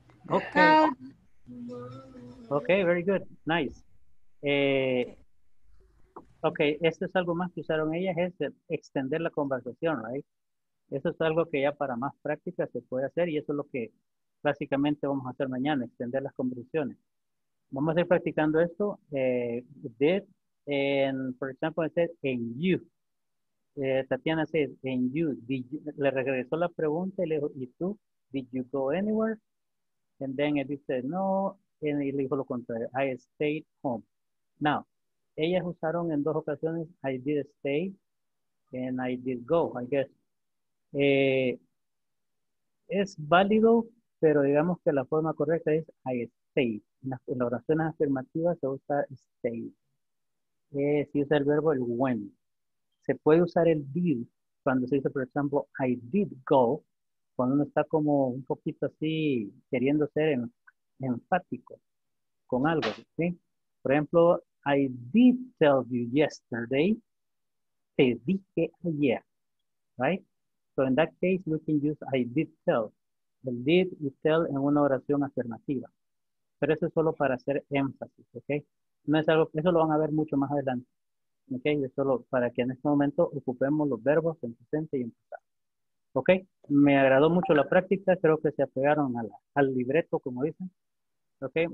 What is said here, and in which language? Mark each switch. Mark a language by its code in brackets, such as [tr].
[en] Okay. Okay, very good. Nice. [es] Okay, esto es algo más que usaron ellas, es extender la conversación, right? Eso es algo que ya para más práctica se puede hacer y eso es lo que básicamente vamos a hacer mañana, extender las conversaciones. Vamos a ir practicando esto. [en] Did, and, for example, I said, and you. Tatiana said, and you. [es] Le regresó la pregunta y le dijo, ¿y tú? [en] Did you go anywhere? And then Edith said, no. And [es] le dijo lo contrario, [en] I stayed home. Now, [es] ellas usaron en dos ocasiones, [en] I did stay and I did go, I guess. [es] Es válido, pero digamos que la forma correcta es I stayed. En las oraciones afirmativas se usa stayed. Si usa el verbo el went. Se puede usar el did cuando se dice, por ejemplo, I did go. Cuando uno está como un poquito así queriendo ser enfático con algo, ¿sí? Por ejemplo, [en] I did tell you yesterday. [es] Te dije ayer, right? [en] So in that case, we can use I did tell. [es] El did y tell en una oración afirmativa. Pero eso es solo para hacer énfasis, ¿ok? No es algo, eso lo van a ver mucho más adelante. ¿Ok? Es solo para que en este momento ocupemos los verbos en presente y en pasado. ¿Ok? Me agradó mucho la práctica. Creo que se apegaron a la, al libreto, como dicen. ¿Ok?